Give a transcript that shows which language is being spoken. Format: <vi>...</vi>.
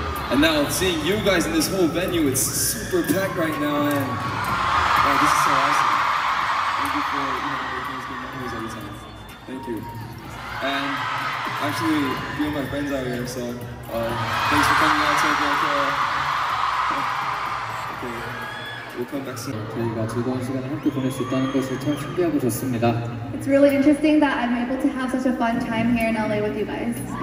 <en>And now seeing you guys in this whole venue, it's super packed right now, and wow, this is so awesome. Thank you for, you know, making these good memories all the time. Thank you. And actually, a few of my friends out here, so. Thanks for coming out to the okay. We'll come back soon.</en> <ko>저희가 즐거운 시간을 함께 보낼 수 있다는 것을 참 신기하고 좋습니다.</ko> <en>It's really interesting that I'm able to have such a fun time here in LA with you guys.</en>